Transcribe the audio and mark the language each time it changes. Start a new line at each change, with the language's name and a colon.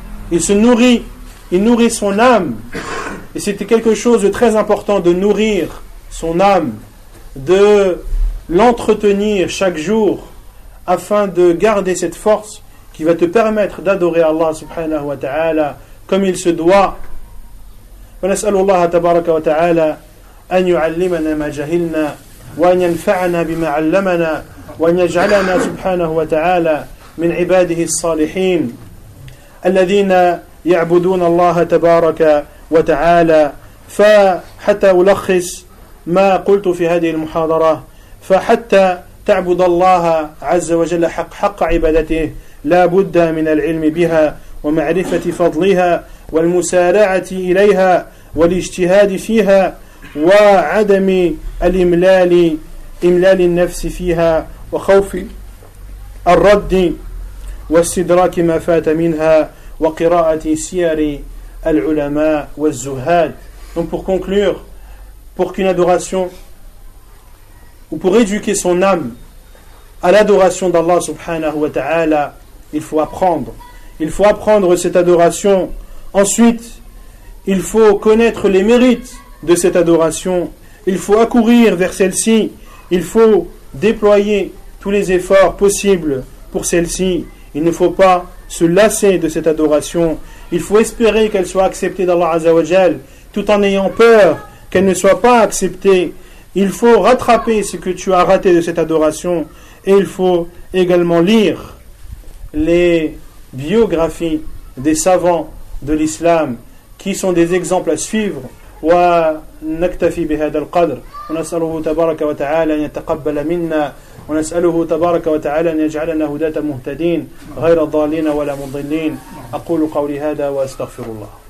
French: Il se nourrit, il nourrit son âme, et c'était quelque chose de très important de nourrir son âme, de l'entretenir chaque jour afin de garder cette force qui va te permettre d'adorer Allah subhanahu wa ta'ala comme il se doit.
Arabic: ونسأل الله تبارك وتعالى أن يعلمنا ما جهلنا وأن ينفعنا بما علمنا وأن يجعلنا سبحانه وتعالى من عباده الصالحين الذين يعبدون الله تبارك وتعالى. فحتى ألخص ما قلت في هذه المحاضرة, فحتى تعبد الله عز وجل حق عبادته لا بد من العلم بها ومعرفة فضلها والمسارعة إليها والاجتهاد فيها وعدم الإملال, إملال النفس فيها وخوف الرد واستدراك ما فات منها وقراءة سير العلماء والزهاد.
French: Donc pour conclure, pour qu'une adoration ou pour éduquer son âme à l'adoration d'Allah subhanahu wa ta'ala, il faut apprendre cette adoration. Ensuite, il faut connaître les mérites de cette adoration, il faut accourir vers celle-ci, il faut déployer tous les efforts possibles pour celle-ci, il ne faut pas se lasser de cette adoration, il faut espérer qu'elle soit acceptée d'Allah Azzawajal, tout en ayant peur qu'elle ne soit pas acceptée, il faut rattraper ce que tu as raté de cette adoration, et il faut également lire les biographies des savants de l'islam qui sont des exemples à suivre.
Arabic: ونكتفي بهذا القدر ونسأله تبارك وتعالى أن يتقبل منا ونسأله تبارك وتعالى أن يجعلنا هداة مهتدين غير ضالين ولا مضلين أقول قولي هذا وأستغفر الله